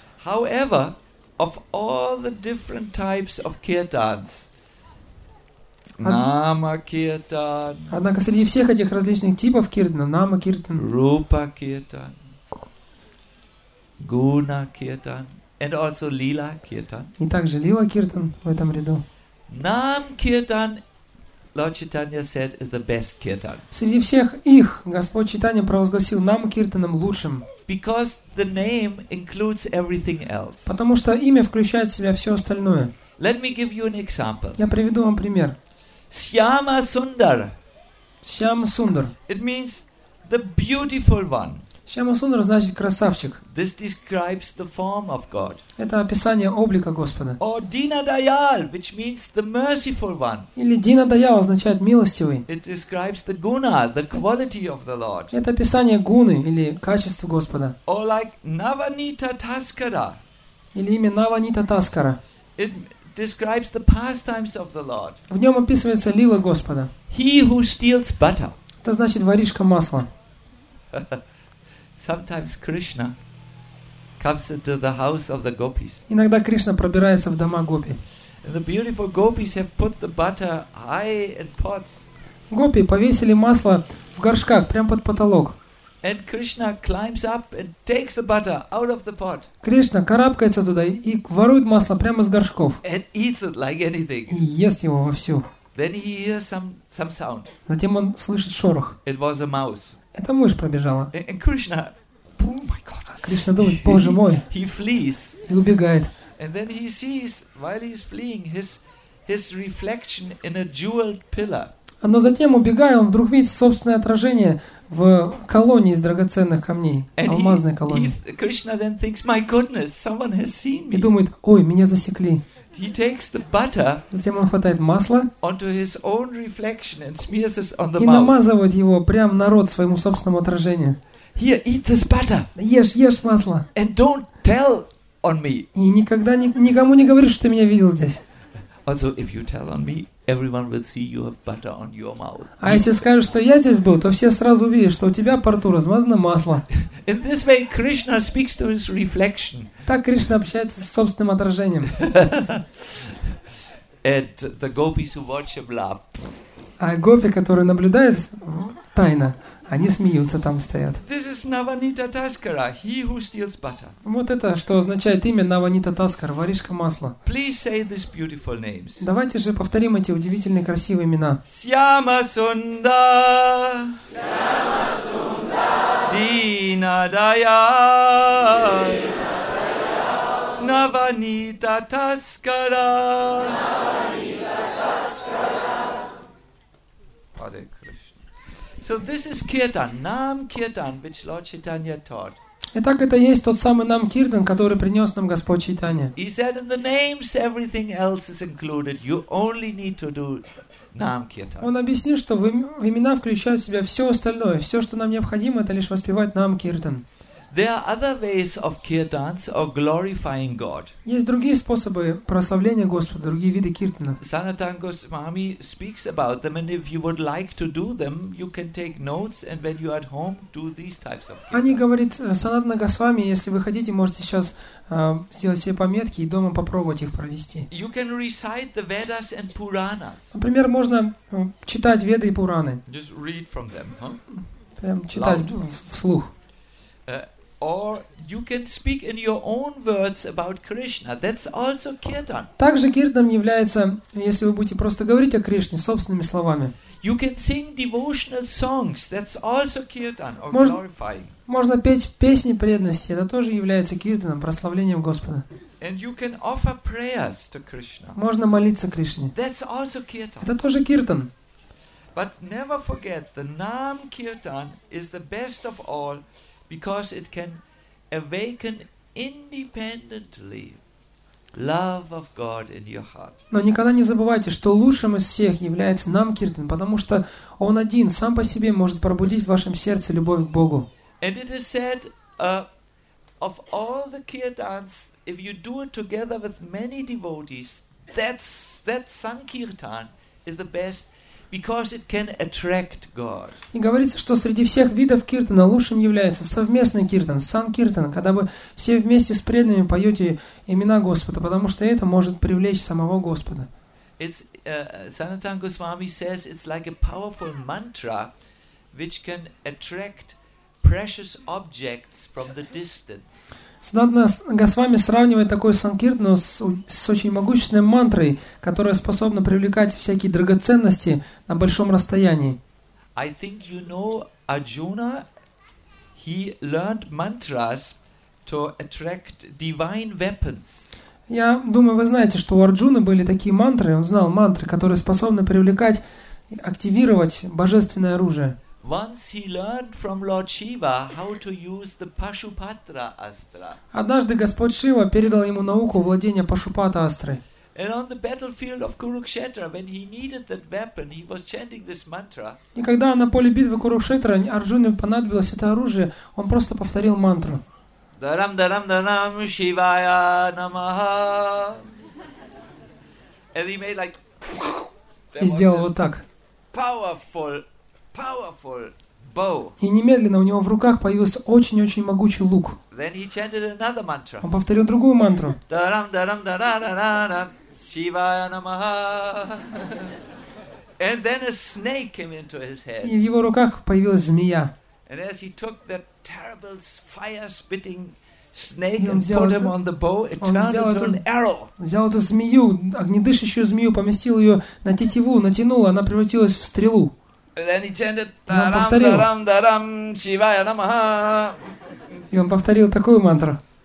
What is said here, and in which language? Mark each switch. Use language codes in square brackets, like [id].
[en] However, of all the different types of kirtans, Нама киртан. [ru] Однако среди всех этих различных типов киртана, нама киртан, рупа киртан, гуна киртан, [en] and also [ru] лила киртан. И также лила киртан в этом ряду. [en] Нам киртан, Lord Chaitanya said, is the best киртан. [ru] Среди всех их Господь Чайтанья провозгласил нам киртаном лучшим. [en] Because the name includes everything else. [ru] Потому что имя включает в себя все остальное. [en] Let me give you an example. [ru] Я приведу вам пример. [en] Shyama Sundar. [ru] Shyama Sundar. [en] It means the beautiful one. [ru] Shyama Sundar значит красавчик. [en] This describes the form of God. [ru] Это описание облика Господа. [en] Or Dinadayal, which means the merciful one. [ru] Или Dinadayal означает милостивый. [en] It describes the guna, the quality of the Lord. [ru] Это описание гуны или качества Господа. [en] Or like Navanita Taskara. [ru] Или имя Navanita Taskara. [en] Describes the pastimes of the Lord. [ru] В нем описывается лила Господа. [en] He who steals butter. [ru] Это значит воришка масла. [en] Sometimes Krishna comes into the house of the gopis. [ru] Иногда Кришна пробирается в дома гопи. [en] And the beautiful gopis have put the butter high in pots. [ru] Гопи повесили масло в горшках прямо под потолок. [en] And Krishna climbs up and takes the butter out of the pot. [ru] Кришна карабкается туда и ворует масло прямо из горшков. [en] And eats it like anything. [ru] И ест его вовсю. [en] Then he hears some sound. [ru] Затем он слышит шорох. [en] It was a mouse. [ru] Это мышь пробежала. [en] And Krishna, oh my God. [ru] Кришна думает, Боже мой. [en] He flees. [ru] И убегает. [en] And then he sees, while he's fleeing, his reflection in a jeweled pillar. [ru] Но затем, убегая, он вдруг видит собственное отражение в колонии из драгоценных камней, алмазной колонии. [en] Krishna then thinks, my goodness, someone has seen me. [ru] И думает, ой, меня засекли. [en] He takes the butter, [ru] затем он хватает масло [en] onto his own reflection and smears this on the [ru] и намазывает его прямо на рот своему собственному отражению. [en] Here, eat this butter. [ru] Ешь масло. [en] And don't tell on me. [ru] И никогда никому не говоришь, что ты меня видел здесь. [en] Also, if you tell on me, everyone will see you have butter on your mouth. [ru] А если скажешь, что я здесь был, то все сразу увидят, что у тебя по рту размазано масло. [en] In this way, Krishna speaks to his reflection. [ru] Так Кришна общается с собственным отражением. [en] And the gopis who watch him laugh. [ru] А гопи, которые наблюдают тайно, они смеются там стоят. [en] This is Navanita Taskara, he who steals butter. [ru] Вот это, что означает имя Navanita Taskara, воришка масла. [en] Please say these beautiful names. [ru] Давайте же повторим эти удивительные красивые имена. [en] Shyama Sundar. [ru] Shyama Sundar. Dinadayal. Navanita Taskara. [en] So this is kirtan, nam kirtan, which Lord Chaitanya taught. [ru] Итак, это есть тот самый нам киртан, который принес нам Господь Чайтанья. [en] He said in the names everything else is included. You only need to do nam kirtan. [ru] Он объяснил, что имена включают в себя все остальное. Все, что нам необходимо, это лишь воспевать нам киртан. [en] There are other ways of kirtans or glorifying God. [ru] Есть другие способы прославления Господа, другие виды киртана. [en] Sanatana Goswami speaks about them, and if you would like to do them, you can take notes, and when you are at home, do these types of kirtans. [ru] Они говорят, Sanatana Goswami, если вы хотите, можете сейчас сделать себе пометки и дома попробовать их провести. [en] You can recite the Vedas and Puranas. [ru] Например, можно читать Веды и Пураны. [en] Just read from them, huh? [ru] Прям читать вслух. [en] Or you can speak in your own words about Krishna. That's also kirtan. [ru] Также киртан является, если вы будете просто говорить о Кришне собственными словами. [en] You can sing devotional songs. That's also kirtan or glorifying. [ru] Можно петь песни преданности. Это тоже является киртаном, прославлением Господа. [en] And you can offer prayers to Krishna. [ru] Можно молиться Кришне. [en] That's also kirtan. [ru] Это тоже киртан. [en] But never forget, the Naam kirtan is the best of all, because it can awaken independently love of God in your heart. [ru] Но никогда не забывайте, что лучшим из всех является Нам Киртан, потому что он один сам по себе может пробудить в вашем сердце любовь к Богу. [en] And it is said, of all the kirtans, if you do it together with many devotees, that sankirtan is the best. Because it can attract God. [ru] И говорится, что среди всех видов киртана лучшим является совместный киртан, санкиртан, когда вы все вместе с преданными поете имена Господа, потому что это может привлечь самого Господа. [en] Санатан Госвами says it's like a powerful mantra, which can attract precious objects from the distance. [ru] Санатан Госвами сравнивает такую санкиртану с очень могущественной мантрой, которая способна привлекать всякие драгоценности на большом расстоянии. [en] I think you know Arjuna, he learned mantras to attract divine weapons. [ru] Я думаю, вы знаете, что у Арджуны были такие мантры, он знал мантры, которые способны привлекать, активировать божественное оружие. [en] Once he learned from Lord Shiva how to use the Pashupatra Astra. [ru] Однажды Господь Шива передал ему науку владения Пашупата Астрой. [en] And on the battlefield of Kurukshetra, when he needed that weapon, he was chanting this mantra. [ru] И когда на поле битвы Курукшетра Арджуне понадобилось это оружие, он просто повторил мантру. [sa] Дарам дарам дарам Шивая намаха. [en] And he made like. [ru] И сделал вот так. [en] Powerful. Powerful bow. [ru] И немедленно у него в руках появился очень-очень могучий лук. [en] Then he chanted another mantra. [ru] Он повторил другую мантру. [sa] Дарам дарам дарарарарам Шивая намаха. [en] And then a snake came into his head. [ru] И в его руках появилась змея. [en] And as he took that terrible fire-spitting snake and put him on the bow, it turned into an arrow. [ru] Взял эту змею, огнедышащую змею, поместил ее на тетиву, натянул, она превратилась в стрелу. [en] And then he chanted, [sa] "Дарам, дарам, дарам, Шивая намаха." [ru] И он повторил такую мантру.